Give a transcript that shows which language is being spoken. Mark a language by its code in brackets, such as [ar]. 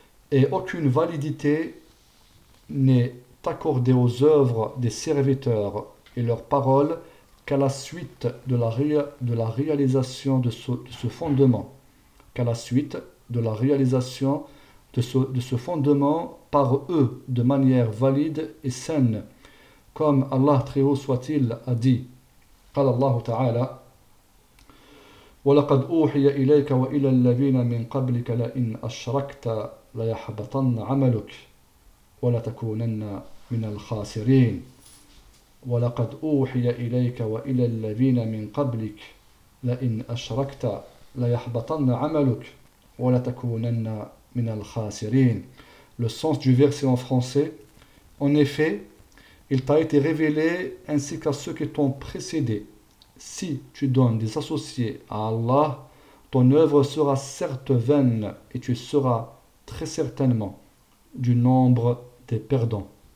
[fr] Et aucune validité n'est accordée aux œuvres des serviteurs et leurs paroles qu'à la suite de la réalisation de ce fondement, qu'à la suite de la réalisation de ce fondement par eux de manière valide et saine. Comme Allah Très-Haut soit-il a dit, [ar] قال الله تعالى ولقد أوحي إليك وإلى الذين من قبلك لئن أشركت ليحبطن عملك ولتكونن من الخاسرين ولقد أوحي إليك وإلى الذين من قبلك لئن أشركت ليحبطن عملك ولتكونن من الخاسرين. [fr] Le sens du verset en français: en effet, il t'a été révélé ainsi qu'à ceux qui t'ont précédé. Si tu donnes des associés à Allah, ton œuvre sera certes vaine et tu seras très certainement du nombre des perdants.